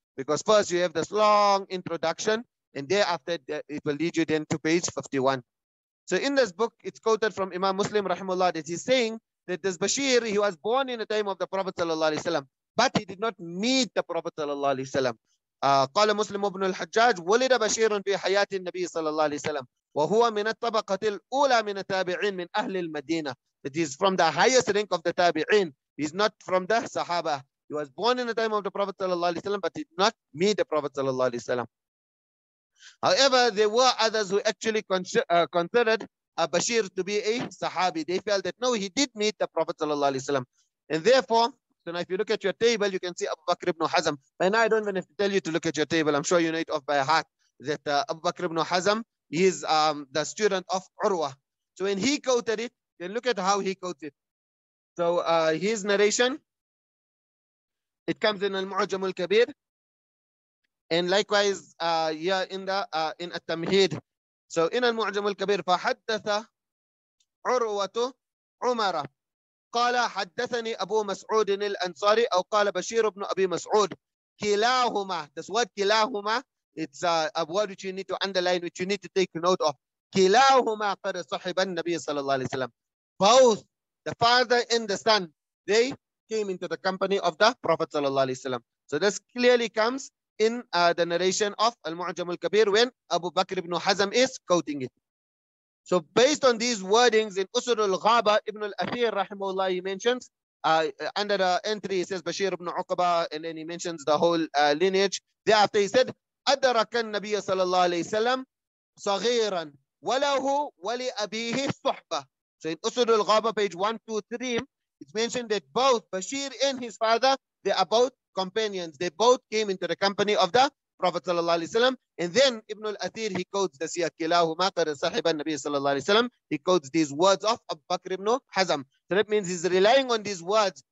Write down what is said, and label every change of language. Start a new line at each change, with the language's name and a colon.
English: Because first you have this long introduction, and thereafter it will lead you then to page 51. So in this book, it's quoted from Imam Muslim, rahimahullah, that he's saying that this Bashir, he was born in the time of the Prophet sallallahu alaihi wasallam, but he did not meet the Prophet sallallahu alaihi wasallam.
Arabic: قال مسلم بن الحجاج ولد بشير في حياة النبي صلى الله عليه وسلم وهو من الطبقة الأولى من التابعين من أهل المدينة.
English: That is from the highest rank of the tabi'in. He's not from the sahaba. He was born in the time of the Prophet صلى الله عليه وسلم, but he did not meet the Prophet صلى الله عليه وسلم. However, there were others who actually considered Bashir to be a sahabi. They felt that no, he did meet the Prophet صلى الله عليه وسلم, and therefore. So now if you look at your table, you can see Abu Bakr ibn Hazm. By now, I don't even have to tell you to look at your table. I'm sure you know it off by heart that Abu Bakr ibn Hazm, he is the student of Urwah. So when he quoted it, then look at how he quotes it. So his narration, it comes in Al-Mu'jam al-Kabir. And likewise, in At-Tamheed. So in Al-Mu'jam al-Kabir,
Arabic: فَحَدَّثَ عُرْوَةُ عُمَرَ قال حدثني أبو مسعود الأنصاري أو قال بشير بن أبي مسعود كلاهما.
English: This word كلاهما, it's a word which you need to underline, which you need to take note of.
Arabic: كلاهما قد صحب النبي صلى الله عليه وسلم.
English: Both the father and the son, they came into the company of the Prophet صلى الله عليه وسلم. So this clearly comes in the narration of المعجم الكبير when Abu Bakr ibn Hazm is quoting it. So based on these wordings in Usul al-Ghaba, Ibn al-Athir, rahimahullah, he mentions, under the entry, he says, Bashir ibn Uqba, and then he mentions the whole lineage. Thereafter, he said,
Arabic: أَدَّرَكَ النَّبِيَّ صَلَى اللَّهِ عَلَيْهِ سَلَمْ صَغِيرًا وَلَهُ وَلِأَبِيهِ صُحْبَةً.
English: So in Usul al-Ghaba, page 123, it's mentioned that both Bashir and his father, they are both companions. They both came into the company of the Prophet sallallahu alaihi wasallam, and then Ibn al-Athir, he quotes the siya
Arabic: kilahuma qad sahiba an-nabi sallallahu alaihi wasallam.
English: He quotes these words of Abu Bakr ibn Hazm. So that means he's relying on these words.